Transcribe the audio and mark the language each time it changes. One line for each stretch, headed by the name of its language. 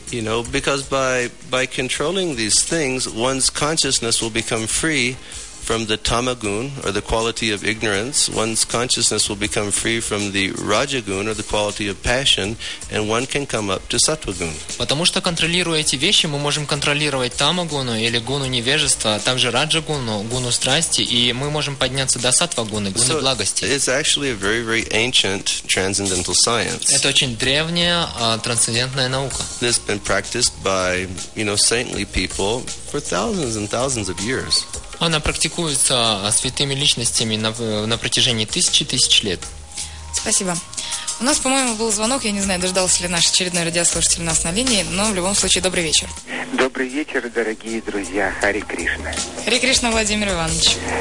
English: You know, because by controlling these things, one's consciousness will become free from the tamagun or the quality of ignorance. One's consciousness will become free from the rajagun or the quality of passion, and one can come up to sattvagun.
Russian: Потому что контролируя эти вещи, мы можем контролировать тамагуну или гуну невежества, а также раджагуну, гуну страсти, и мы можем подняться до сатвагуны, гуны благости.
English: It's actually a very, very ancient transcendental science.
Russian: Это очень древняя трансцендентная наука.
English: This has been practiced by, you know, saintly people for thousands and thousands of years.
Russian: Она практикуется святыми личностями на протяжении тысяч и тысяч лет. Спасибо. У нас, по-моему, был звонок. Я не знаю, дождался ли наш очередной радиослушатель нас на линии, но в любом случае, добрый вечер. Добрый вечер, дорогие друзья. Хари Кришна. Хари Кришна, Владимир Иванович.